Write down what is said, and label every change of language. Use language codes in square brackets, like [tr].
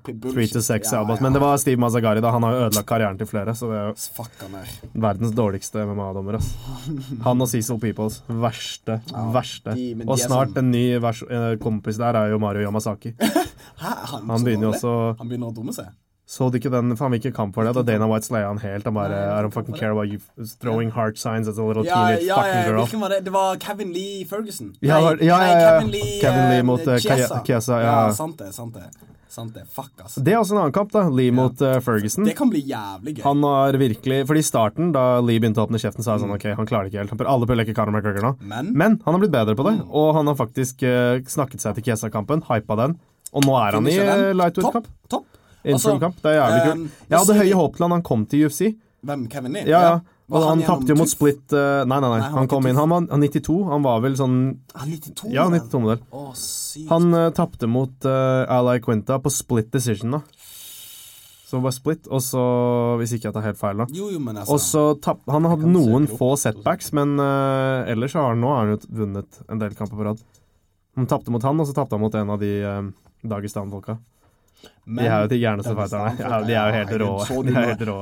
[no] 3-6 ja, ja, ja. Men det var Steve Mazzagari da. Han har jo ødelagt karrieren til flere, så det er jo fucker, verdens dårligste MMA-dommer, ass. Han og Cecil Peoples. Verste, ja, verste. Og snart en ny kompis der er jo Mario Yamasaki. Hæ? Han begynner også... Han begynner å dumme seg. Så du ikke den... Faen, hvilken kamp var det? Da Dana White slayer han helt. Han bare... [en] I don't fucking care about you throwing heart signs at a little teenage fucking girl. [no] Ja, ja, ja. Hvilken var det? Det var Kevin Lee Ferguson. Ja, nei, ja, ja, ja. Kevin Lee mot Chiesa. Ja, sant det, sant det. Sant det. Fuck, altså. Det også en annen kamp, da. Lee mot Ferguson. Det kan bli jævlig gøy. Han har virkelig... Fordi i starten, da Lee begynte å åpne kjeften, sa han sånn, ok, han klarer ikke helt. Han prøver alle på å leke Conor McGregor nå. Men han har blitt bedre på det. Mm. Og han har faktisk snakket seg til Chiesa-kampen, hypet den. Og nå er han i lightweight-kamp. Topp, topp. Interim-kamp, det er jævlig kul. Jeg hadde høye håp til han kom til UFC. Hvem, Kevin Lee? Ja, ja. Og han tappte jo mot Split. Nei, han kom inn. Han var 92, han var vel sånn... Han 92? Ja, 92-modell. Å, sykt. Han tappte mot Ally Quinta på Split Decision, da. Så var Split, og så... Hvis ikke jeg tar helt feil, da. Jo, men altså... Og så tappte... Han hadde noen få setbacks, men ellers har han nå har han vunnet en del kamper på rad. Han tappte mot han, og så tappte han mot en av de... Dagestan-folka. De er jo til gjerneste fighterne. Ja, de er jo helt rå.